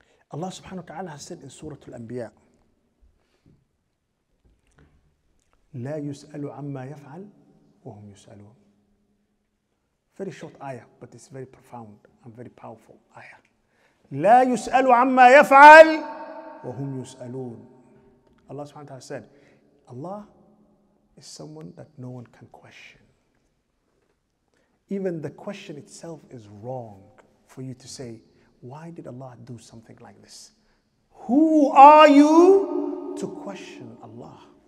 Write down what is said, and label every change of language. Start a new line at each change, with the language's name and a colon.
English: Allah subhanahu wa ta'ala has said in Surah Al-Anbiya,
Arabic: لا يسأل عما يفعل وهم يسألون.
English: Very short ayah, but it's very profound and very powerful ayah.
Arabic: لا يسأل عما يفعل وهم يسألون.
English: Allah subhanahu wa ta'ala said, Allah is someone that no one can question. Even the question itself is wrong for you to say, why did Allah do something like this? Who are you to question Allah?